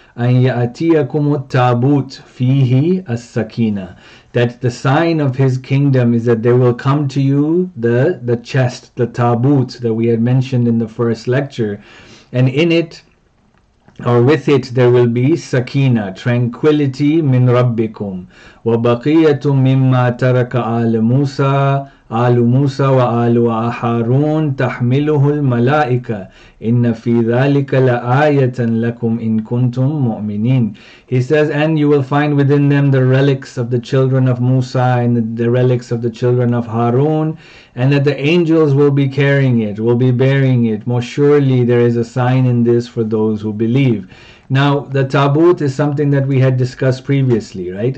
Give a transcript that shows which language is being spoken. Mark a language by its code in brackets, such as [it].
[ar] أَنْ يَأْتِيَكُمُ التَّابُوتُ فِيهِ السَّكِينَةِ, [en] that the sign of his kingdom is that there will come to you the chest, the tabut that we had mentioned in the first lecture, and in it, or with it, there will be sakina, tranquility, [ar] min rabbikum, wa baqiyatum mimma taraka al Musa آل موسى وآل هارون تحمله الملائكة إن في ذلك لآية لكم إن كنتم مؤمنين. [en] He says, and you will find within them the relics of the children of Musa and the relics of the children of Harun, and that the angels will be carrying it, will be bearing it. Most surely there is a sign in this for those who believe. Now, the tabut is something that we had discussed previously, right?